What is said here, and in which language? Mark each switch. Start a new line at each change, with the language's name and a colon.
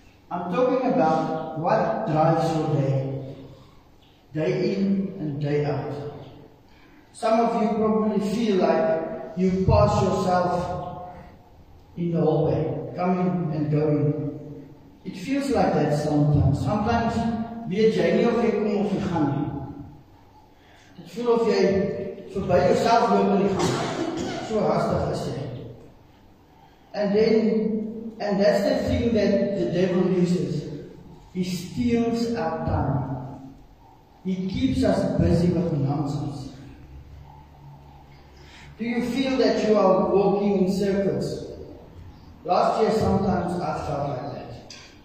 English: I'm talking about what drives your day, day in and day out. Some of you probably feel like you pass yourself in the hallway, coming and going. It feels like that sometimes.
Afrikaans: Sometimes, weet jy nie of jy kom of jy gaan nie. Dit voel of jy verby jouself loop en jy gaan. So hastig is jy.
English: And that's the thing that the devil uses. He steals our time. He keeps us busy with nonsense. Do you feel that you are walking in circles? Last year, sometimes I felt like that.